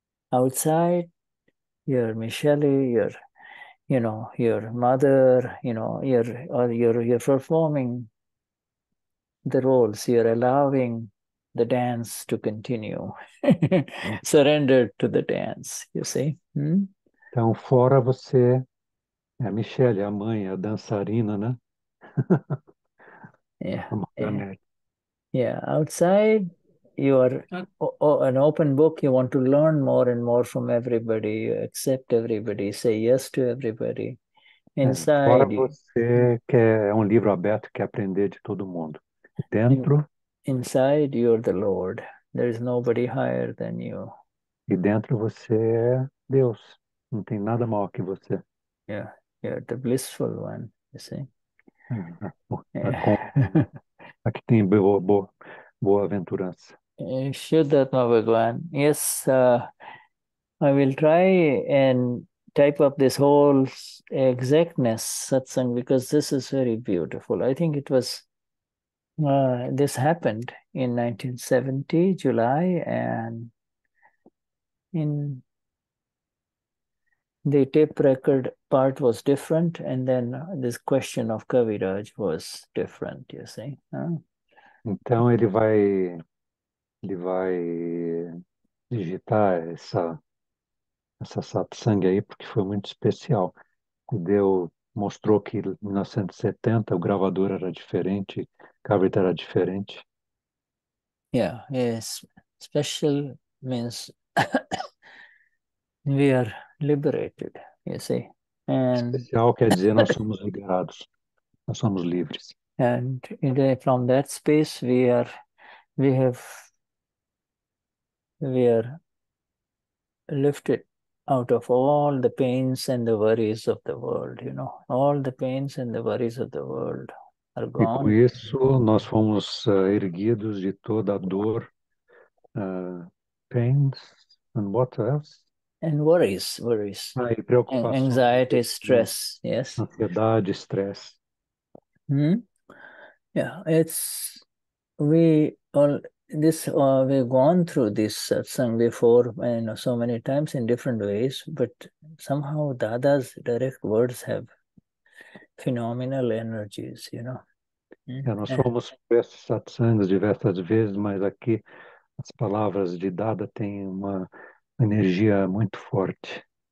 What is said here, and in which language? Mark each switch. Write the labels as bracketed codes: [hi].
[en] Outside, you're Michelle, you're, you know, your mother, you know, you're performing the roles, you're allowing the dance to continue, surrender to the dance, you see? [pt] Então, fora você, é a Michelle, a mãe, a dançarina, né? [en] Yeah, outside, you are an open book, you want to learn more and more from everybody, you accept everybody, say yes to everybody. Inside, [pt] fora você, que é um livro aberto, quer aprender de todo mundo. Dentro, [en] inside, you're the Lord. There is nobody higher than you. [pt] E dentro você é Deus. Não tem nada maior que você. [en] Yeah, you're the blissful one, you see? [pt] Yeah. Aqui tem boa aventurança. [en] Shuddhatma Bhagavan. Yes, I will try and type up this whole exactness satsang because this is very beautiful. I think it was this happened in 1970, July, and in the tape record part was different, and then this question of Kaviraj was different, you see. [pt] Então ele vai digitar essa satsang aí, porque foi muito especial. Mostrou que em 1970 o gravador era diferente, Kavita era diferente. [en] Yeah, yes. Special means we are liberated, you see. [pt] Especial quer dizer nós somos liberados, nós somos livres. [en] And from that space we are lifted out of all the pains and the worries of the world, you know. All the pains and the worries of the world. [pt] E com isso, nós fomos erguidos de toda a dor, [en] pains, and what else? And worries. [pt] Ah, e preocupações. [en] Anxiety, stress, yes. [pt] Ansiedade, stress. [en] Yeah, we've gone through this satsang before, you know, so many times in different ways, but somehow Dada's direct words have phenomenal energies, you know. [pt] Nós fomos presos satsangs diversas vezes, mas aqui as palavras de Dada têm uma energia muito forte.